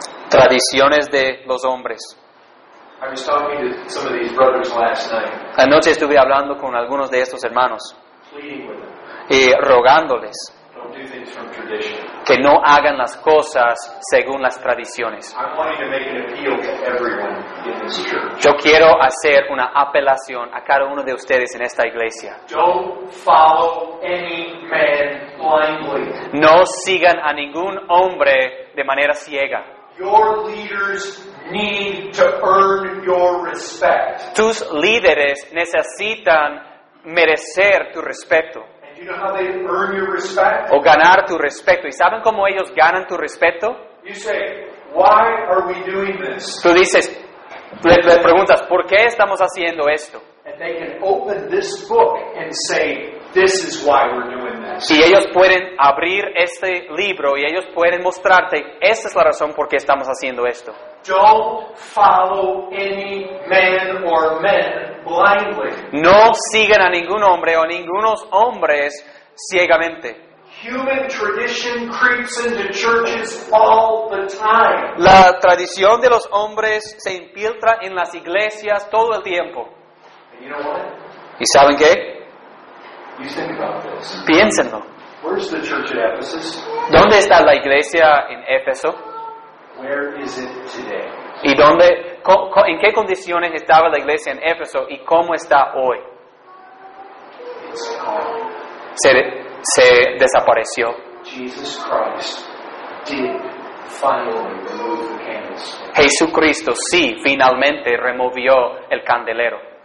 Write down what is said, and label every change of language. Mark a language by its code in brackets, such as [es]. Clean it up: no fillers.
[es] Tradiciones de los hombres. [en] I was talking to some of these brothers last night. [es] Anoche estuve hablando con algunos de estos hermanos. [en] Pleading with them. [es] Y rogándoles. [en] Don't Don't do things from tradition. [es] Que no hagan las cosas según las tradiciones. [en] I'm wanting to make an appeal to everyone in this church. [es] Yo quiero hacer una apelación a cada uno de ustedes en esta iglesia. [en] Don't follow any man blindly. [es] No sigan a ningún hombre de manera ciega. [en] Your leaders need to earn your respect. [es] Tus líderes necesitan merecer tu respeto. [en] And you know how they earn your respect? [es] O ganar tu respeto. ¿Y saben cómo ellos ganan tu respeto? [en] You say, why are we doing this? [es] Tú dices, le preguntas, ¿por qué estamos haciendo esto? [en] And they can open this book and say, this is why we're doing this. [es] Y ellos pueden abrir este libro y ellos pueden mostrarte, esta es la razón por qué estamos haciendo esto. [en] Don't follow any man or men blindly. [es] No sigan a ningún hombre o a ningunos hombres ciegamente. [en] Human tradition creeps into churches all the time. [es] La tradición de los hombres se infiltra en las iglesias todo el tiempo. [en] You know what? [es] ¿Y saben qué? [en] You think about this. [es] Piénsenlo. [en] Where's the church at Ephesus? [es] ¿Dónde está la iglesia en Éfeso? [en] Where is it today? [es] ¿Y dónde, en qué condiciones estaba la iglesia en Éfeso y cómo está hoy? [en] It's gone. [es] Se desapareció. [en] Jesus Christ did finally remove the candlestick. [es] Jesucristo sí finalmente removió el candelero.